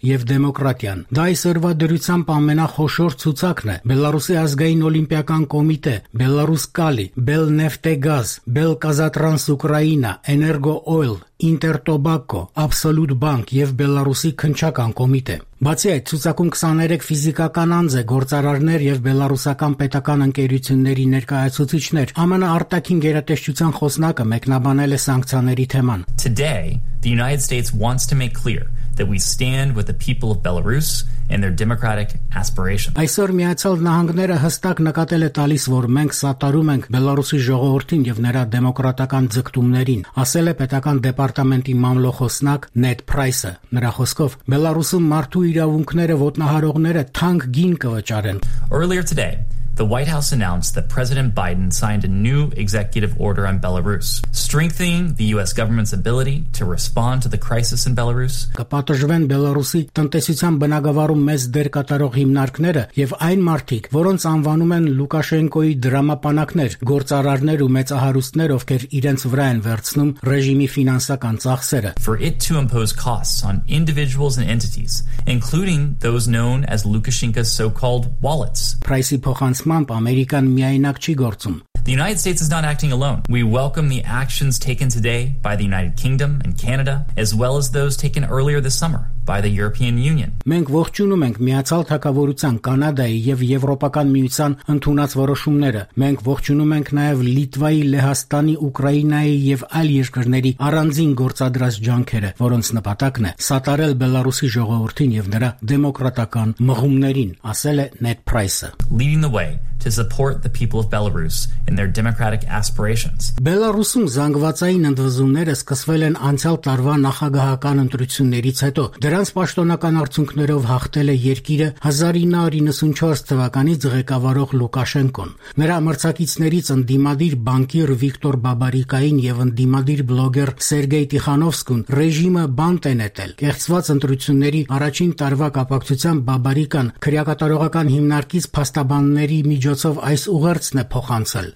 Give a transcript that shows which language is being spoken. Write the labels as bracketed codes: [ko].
[hy] և դեմոկրատիան։ Դա այս օրվա դրությամբ ամենախոշոր ցուցակն է։ Բելարուսի ազգային օլիմպիական կոմիտե, Բելարուս Կալի, Բել Նեֆտեգազ, Բել Կազատրանս Ուկրաինա, Էներգո Օյլ, Ինտերտոբակո, Աբսոլյուտ Բանկ և Բելարուսի քնչական կոմիտե։ Բացի այդ, ցուցակում 23 ֆիզիկական անձ է, գործարարներ և բելարուսական պետական ընկերությունների ներկայացուցիչներ։ ԱՄՆ արտաքին գերատեսչության խոսնակը մեկնաբանել է սանկցիաների թեման։ [en] Today, the United States wants to make clear that we stand with the people of Belarus and their democratic aspirations. [hy] Այսօր Միացյալ Նահանգները հստակ նկատել է տալիս, որ մենք սատարում ենք Բելարուսի ժողովրդին և նրա դեմոկրատական ձգտումներին, ասել է պետական դեպարտամենտի մամլոխոսնակ Նետ Պրայսը։ Նրա խոսքով, Բելարուսում մարդու իրավունքները ոտնահարողները թանկ գին կվճարեն։ [en] Earlier today, the White House announced that President Biden signed a new executive order on Belarus, strengthening the U.S. government's ability to respond to the crisis in Belarus. [hy] Կպատժվեն Բելարուսի տնտեսության բնագավառում մեծ դեր կատարող հիմնարկները և այն մարդիկ, որոնց անվանում են Լուկաշենկոյի դրամապանակներ, գործարարներ ու մեծահարուստներ, ովքեր իրենց վրա են վերցնում ռեժիմի ֆինանսական ծախսերը. [en] For it to impose costs on individuals and entities, including those known as Lukashenko's so-called wallets. [hy] Price-ի փոխանցումը ամերիկան միայնակ չի գործում։ [en] The United States is not acting alone. We welcome the actions taken today by the United Kingdom and Canada, as well as those taken earlier this summer by the European Union. [hy] Մենք ողջունում ենք Միացյալ Թագավորության, Կանադայի և Եվրոպական Միության ընդունած որոշումները։ Մենք ողջունում ենք նաև Լիտվայի, Լեհաստանի, Ուկրաինայի և այլ երկրների առանձին գործադրած ջանքերը, որոնց նպատակն է սատարել Բելարուսի ժողովրդին և նրա դեմոկրատական մղումներին, ասել է Նետ Պրայսը։ [en] Leading the way to support the people of Belarus in their democratic aspirations. [hy] Բելարուսում զանգվածային ընդվզումները սկսվել են անցյալ տարվա նախագահական ընտրություններից հետո։ Դրանց պաշտոնական արդյունքներով հաղթել է երկիրը 1994 թվականից ղեկավարող Լուկաշենկոն։ Նրա մրցակիցներից ընդդիմադիր բանկիր Վիկտոր Բաբարիկային և ընդդիմադիր բլոգեր Սերգեյ Տիխանովսկուն ռեժիմը բանտ են ետել։ Կեղծված ընտրությունների առաջին տարվա կապակցությամբ Բաբարիկան քրեակատարողական հիմնարկից փաստաբանների միջոցով այս ուղերձն է փոխանցել.